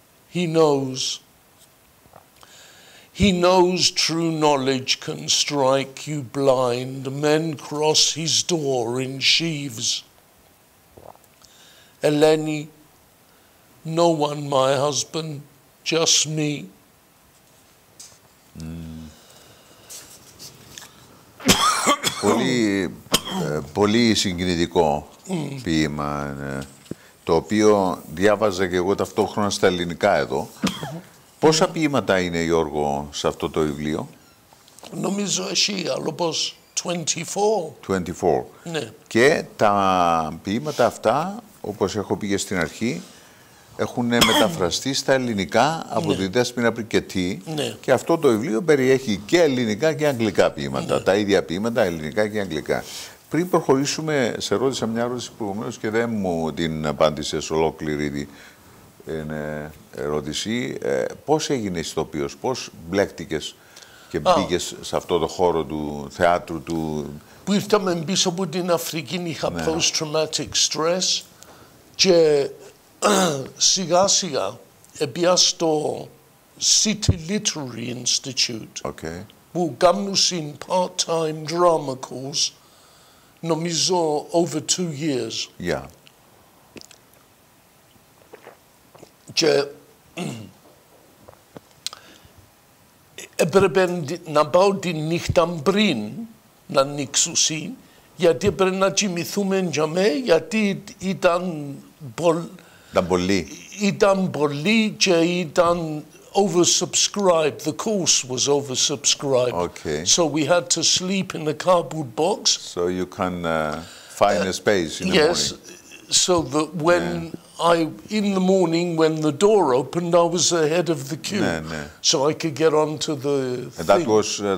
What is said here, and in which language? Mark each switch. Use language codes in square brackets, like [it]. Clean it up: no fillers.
[en] He knows true knowledge can strike you blind. Men cross his door in sheaves. Eleni, no one, my husband, just me. [el] Πολύ, πολύ συγκινητικό ποίημα, το οποίο διάβαζα και εγώ ταυτόχρονα στα ελληνικά εδώ. Πόσα ποίηματα είναι, Γιώργο, σε αυτό το βιβλίο? Νομίζω εσύ, αλλά πως 24. Ναι. Και τα ποίηματα αυτά, όπως έχω πει και στην αρχή, έχουν μεταφραστεί στα ελληνικά από τη Δέσποινα Πρικετή. Ναι. Και αυτό το βιβλίο περιέχει και ελληνικά και αγγλικά ποίηματα. Ναι. Τα ίδια ποίηματα, ελληνικά και αγγλικά. Πριν προχωρήσουμε, σε ρώτησα μια ερώτηση προηγουμένως και δεν μου την απάντησες ολόκληρη ερώτηση. Πώς έγινες ηθοποιός, πώς μπλέκτηκες και μπήκες σε αυτό το χώρο του θεάτρου του... Που ήρθαμε πίσω από την Αφρική, είχα [en] post-traumatic stress [el] και σιγά σιγά έπια στο City Literary Institute, [en] okay, [el] που κάνουν [en] part-time drama course, [el] νομίζω [en] over 2 years. Yeah. [el] Και έπρεπε να πάω την νύχτα πριν να ανοίξουσι, γιατί έπρεπε να κοιμηθούμε για μέ, γιατί ήταν πολύ. Ήταν πολύ και ήταν oversubscribed. [en] The course was oversubscribed. Okay. So we had to sleep in a cardboard box. So you can find a space in yes, the morning. Yes, so that when I, in the morning, when the door opened, I was ahead of the queue. [el] Ναι, ναι. [en] So I could get onto the thing.